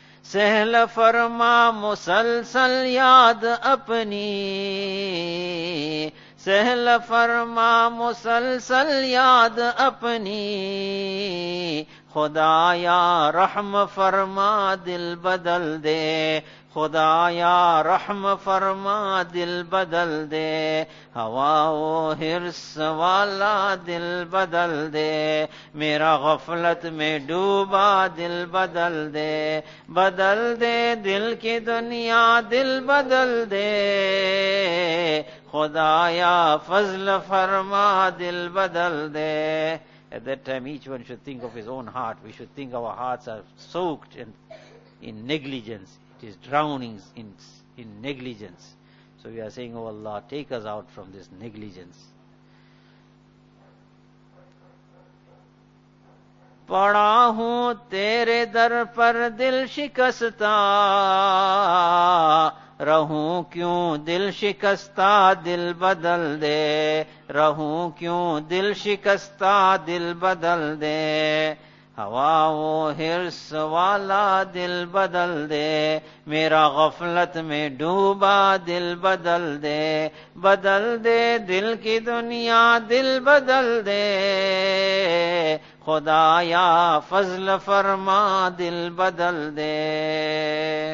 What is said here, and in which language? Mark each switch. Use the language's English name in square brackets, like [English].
[Urdu] سہل فرما مسلسل یاد اپنی سہل فرما مسلسل یاد اپنی خدایا رحم فرما دل بدل دے خدایا رحم فرما دل بدل دے ہوا و حرص والا دل بدل دے میرا غفلت میں ڈوبا دل بدل دے بدل دے دل کی دنیا دل بدل دے خدایا فضل فرما دل بدل دے. [English] At that time each one should think of his own heart. We should think our hearts are soaked in negligence. It is drowning in negligence. So we are saying, oh Allah, take us out from this negligence. [Urdu] Pada hoon tere dar par dil shikasta رہوں کیوں دل شکستہ دل بدل دے رہوں کیوں دل شکستہ دل بدل دے ہوا و حرص والا دل بدل دے میرا غفلت میں ڈوبا دل بدل دے بدل دے دل کی دنیا دل بدل دے خدایا فضل فرما دل بدل دے.